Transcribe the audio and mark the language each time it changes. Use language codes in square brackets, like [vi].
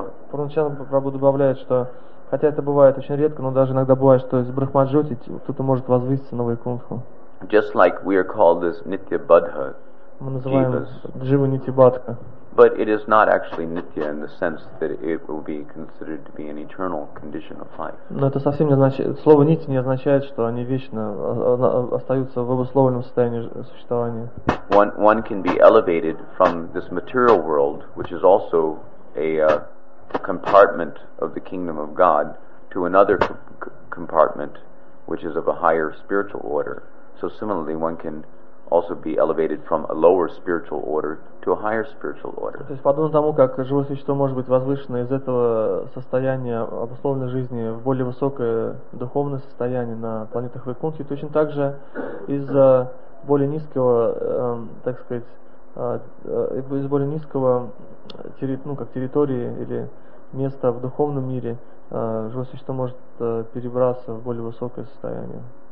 [ru] Пруначан Прабху добавляет, что хотя это бывает очень редко, но даже иногда бывает, что из Брахмаджоти кто-то может возвыситься на Вайкунтху. [en] Just like we are called this Nitya Badha, [ru] мы называем Джива Нитибадха. [en] But it is not actually Nitya in the sense that it will be considered to be an eternal condition of life. [ru] Но это совсем не означает, слово Нити не означает, что они вечно остаются в обусловленном состоянии существования. [en] One can be elevated from this material world, which is also a compartment of the kingdom of God, to another compartment which is of a higher spiritual order. So similarly, one can also be elevated from a lower spiritual order to a higher spiritual order. [ru] То есть подобно тому, как живое существо может быть возвышено из этого состояния обусловленной жизни в более высокое духовное состояние на планетах Вайкунтхи, точно так же из более низкого, так сказать, из более низкого территории или места в духовном мире живое существо может перебраться в более высокое состояние.